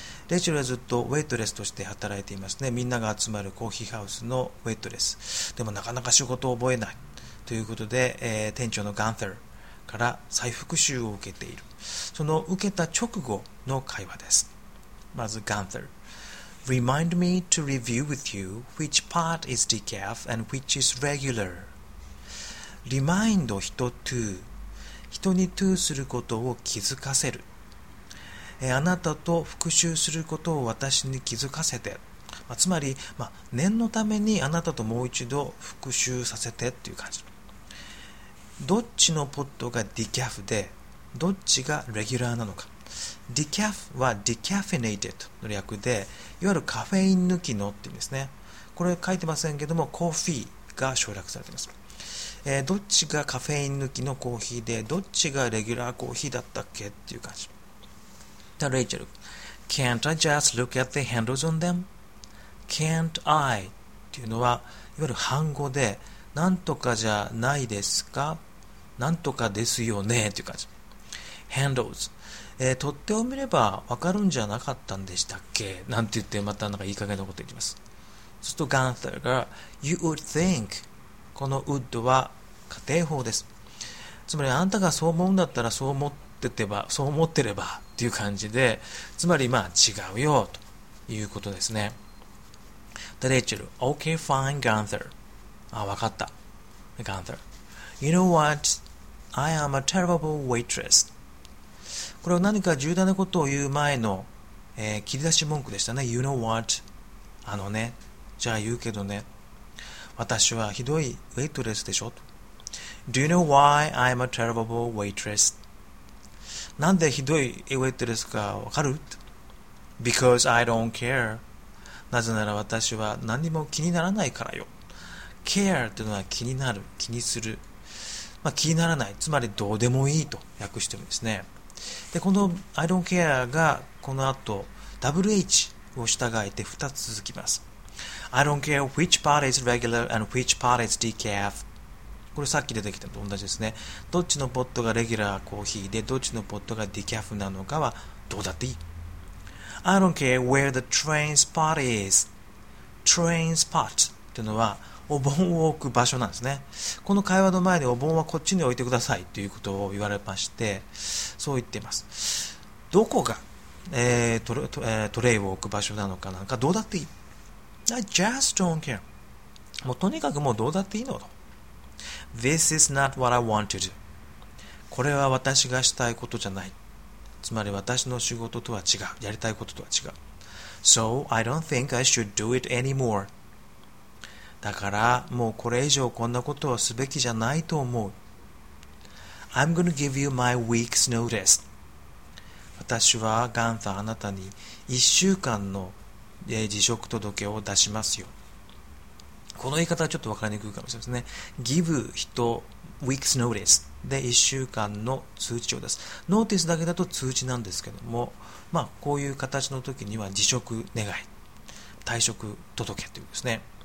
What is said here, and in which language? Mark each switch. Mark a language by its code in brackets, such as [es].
[ja] レイチェルはずっとウェイトレスとして働いていますね。みんなが集まるコーヒーハウスのウェイトレス。でもなかなか仕事を覚えないということで、店長のガンターから再復習を受けている。その受けた直後の会話です。まずガンター。 [en] Remind me to review with you which part is decaf and which is regular. Remind 人 to [ja] 人に to することを気づかせる、あなたと復習することを私に気づかせて、つまり、念のためにあなたともう一度復習させてっていう感じ。どっちのポットがディキャフで、どっちがレギュラーなのか。ディキャフはディキャフィネイテッドの略で、いわゆるカフェイン抜きのっていうんですね。これ書いてませんけども、コーヒーが省略されています。どっちがカフェイン抜きのコーヒーで、どっちがレギュラーコーヒーだったっけっていう感じ。で、レイチェル。 [en] Can't I just look at the handles on them? Can't I [ja] っていうのは、いわゆる反語で、なんとかじゃないですか、なんとかですよねという感じ。 Handles、取っ手を見ればわかるんじゃなかったんでしたっけ、なんて言って、またなんかいい加減なこと言ってます。そうすると、ガンターが、 [en] You would think、 [ja] この would は仮定法です。つまり、あんたがそう思うんだったら、そう思っててば、そう思ってればっていう感じで、つまり、違うよということですね。 [en] The Rachel, okay, fine, Gunther. [ja] あ、わかった。 [en] Gunther. You know what? I am a terrible waitress. [ja] これは何か重大なことを言う前の、切り出し文句でしたね。 [en] You know what? [ja] あのね。じゃあ言うけどね。私はひどいウェイトレスでしょ。 [en] Do you know why I am a terrible waitress? [ja] なんでひどいウェイトレスかわかる? [en] Because I don't care. [ja] なぜなら私は何も気にならないからよ。care というのは気になる、気にする。気にならない。つまりどうでもいいと訳してもですね。で、この [en] I don't care [ja] がこの後 WH を従えて2つ続きます。 [en] I don't care which part is regular and which part is decaf。 [ja] これさっき出てきたのと同じですね。どっちのポットがレギュラーコーヒーで、どっちのポットがディキャフなのかはどうだっていい。 [en] I don't care where the train spot is. [ja] Train spot っていうのはお盆を置く場所なんですね。この会話の前にお盆はこっちに置いてくださいということを言われまして、そう言っています。どこが、トレイを置く場所なのかなんかどうだっていい。 [en] I just don't care. [ja] もうとにかくもうどうだっていいのと。 [en] This is not what I want to do. [ja] これは私がしたいことじゃない。つまり私の仕事とは違う、やりたいこととは違う。 [en] So I don't think I should do it anymore. [ja] だからもうこれ以上こんなことをすべきじゃないと思う。 [en] I'm going to give you my week's notice. [ja] 私はガンター、あなたに1週間の辞職届を出しますよ。この言い方はちょっと分かりにくいかもしれませんね。 [en] give 人 week's notice [ja] で、1週間の通知を出す。ノーティスだけだと通知なんですけども、こういう形の時には辞職願い、退職届けというですね。